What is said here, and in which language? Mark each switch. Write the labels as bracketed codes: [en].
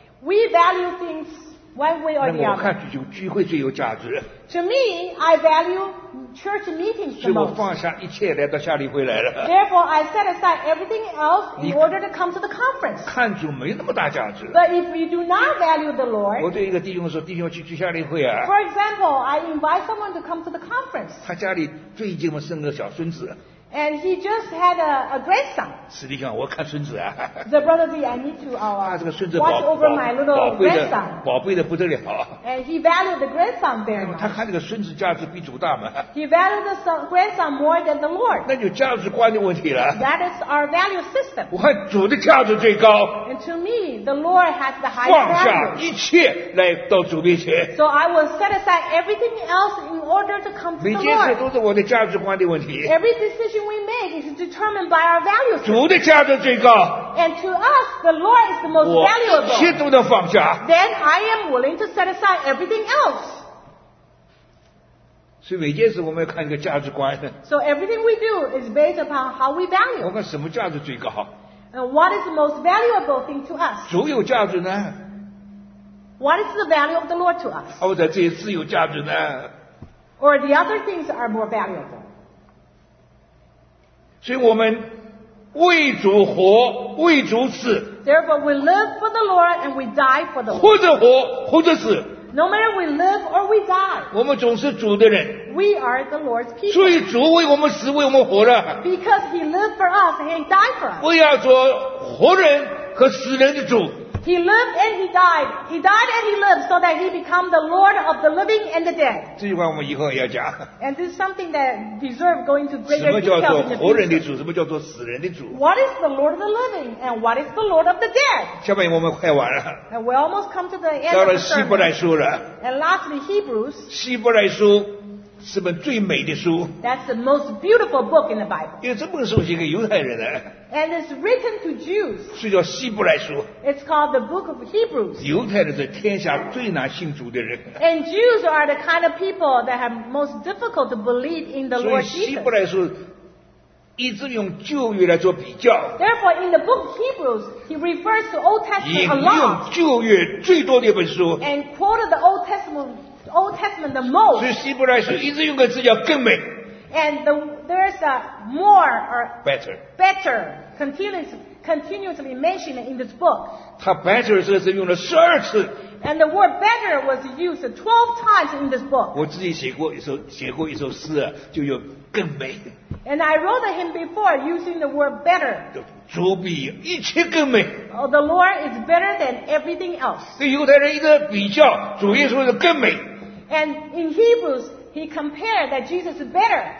[en] We value things one way or the other. [zh] 那我看聚会最有价值。 [en] To me, I value church meetings the most. [zh] 所以我放下一切来到夏令会来了。 [en] Therefore, I set aside everything else in order to come to the conference. [zh] 看主没那么大价值。 [en] But if we do not value the Lord, [zh] 我对一个弟兄说，弟兄去聚夏令会啊。 [en] For example, I invite someone to come to the conference. [zh] 他家里最近嘛生个小孙子。 [en] And he just had a grandson. [zh] 史弟兄，我看孙子啊。 [en] The brother said, I need to watch over my little grandson. [zh] 宝贝的不得了。 [en] And he valued the grandson very much. [zh] 他看这个孙子价值比主大嘛。 [en] He valued the grandson more than the Lord. [zh] 那就价值观的问题了。 [en] That is our value system. [zh] 我看主的价值最高。 [en] And to me, the Lord has the highest value. [zh] 放下一切来到主面前。 [en] So I will set aside everything else in order to come to the Lord. [zh] 每件事都是我的价值观的问题。 [en] Every decision we make is determined by our values. [zh] 主的价值最高。 [en] And to us, the Lord is the most valuable. [zh] 我一切都能放下。 [en] Then I am willing to set aside everything else. [zh] 所以每件事我们要看一个价值观。 [en] So everything we do is based upon how we value. [zh] 我看什么价值最高。 [en] And what is the most valuable thing to us? [zh] 主有价值呢。 [en] What is the value of the Lord to us? [zh] 或者这些自有价值呢。 [en] Or the other things are more valuable. [zh] 所以我们为主活，为主死。 [en] Therefore, we live for the Lord and we die for the Lord. [zh] 或者活，或者死。 [en] No matter we live or we die. [zh] 我们总是主的人。 [en] We are the Lord's people. [zh] 所以主为我们死，为我们活了。 [en] Because He lived for us and He died for us. [zh] 我要做活人和死人的主。 [en] He lived and he died. He died and he lived so that he become the Lord of the living and the dead. [zh] 这句话我们以后也要讲。 [en] And this is something that deserves going to greater detail in the future. [zh] 什么叫做活人的主？什么叫做死人的主？ [en] What is the Lord of the living and what is the Lord of the dead? [zh] 下面我们快完了。 [en] And we almost come to the end of the sermon. [zh] 到了希伯来书了。 [en] And lastly, Hebrews. [zh] 希伯来书是本最美的书。 [en] That's the most beautiful book in the Bible. [zh] 因为这本书写给犹太人的。 [en] And it's written to Jews. [zh] 是叫希伯来书。 [en] It's called the Book of Hebrews. [zh] 犹太人是天下最难信主的人。 [en] And Jews are the kind of people that have most difficult to believe in the Lord Jesus. [zh] 所以希伯来书一直用旧约来做比较。 [en] Therefore, in the Book of Hebrews, he refers to Old Testament a lot. [zh] 引用旧约最多的一本书。 [en] And quoted the Old Testament. Old Testament the most. [zh] 所以希伯来书一直用个字叫更美。 [en] And the, there's a more or better. Better continuously mentioned in this book. [zh] 它 better 这个字用了十二次。 [en] And the word better was used 12 times in this book. [zh] 我自己写过一首诗、啊、就有更美。 [en] And I wrote him before using the word better. [zh] 主比一切更美。 [en] Oh, the Lord is better than everything else. [zh] 对犹太人一直比较，主耶稣是更美。 [en] And in Hebrews, he compared that Jesus is better.